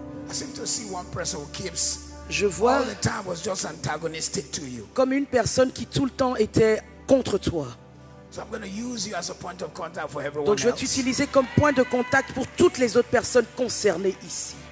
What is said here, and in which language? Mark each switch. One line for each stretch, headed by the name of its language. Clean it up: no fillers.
English: I seem to see one person who keeps.
French: Je vois.
English: All the time was just antagonistic to you.
French: Comme une personne qui tout le temps était contre toi.
English: So I'm going to use you as a point of contact for everyone.
French: Donc je vais t'utiliser comme point de contact pour toutes les autres personnes concernées ici.